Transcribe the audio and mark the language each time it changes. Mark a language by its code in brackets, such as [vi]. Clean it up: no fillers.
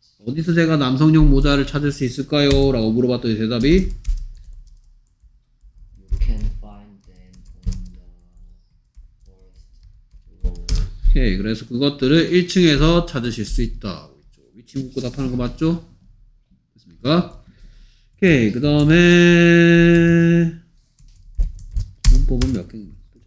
[ko] 어디서 제가 남성용 모자를 찾을 수 있을까요? 라고 물어봤더니 대답이 [en] You can find them on the forest road. [ko] 오케이, 그래서 그것들을 1층에서 찾으실 수 있다. 위치 묻고 답하는 거 맞죠? 됐습니까? 오케이, 그 다음에 문법은 몇 개인가?